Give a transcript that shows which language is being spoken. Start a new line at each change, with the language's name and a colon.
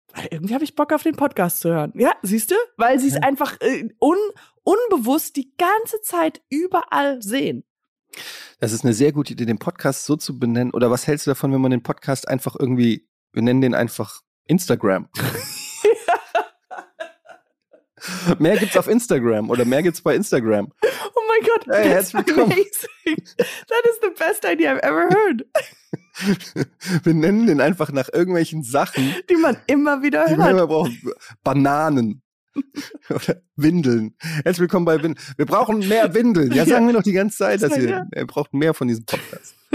German: Irgendwie habe ich Bock auf den Podcast zu hören. Ja, siehst du? Weil sie es einfach unbewusst die ganze Zeit überall sehen. Das ist eine sehr gute Idee, den Podcast so zu benennen. Oder was hältst du davon, wenn man den Podcast einfach irgendwie, wir nennen den einfach Instagram. Ja. Mehr gibt's auf Instagram oder mehr gibt's bei Instagram. Oh mein Gott, hey, herzlich willkommen.
English: That is the best idea I've ever heard.
German: Wir nennen den einfach nach irgendwelchen Sachen, die man immer wieder hört. Die man immer braucht. Bananen oder Windeln. Herzlich willkommen bei Windeln. Wir brauchen mehr Windeln. Ja, sagen wir noch die ganze Zeit, dass er braucht mehr von diesem Podcast.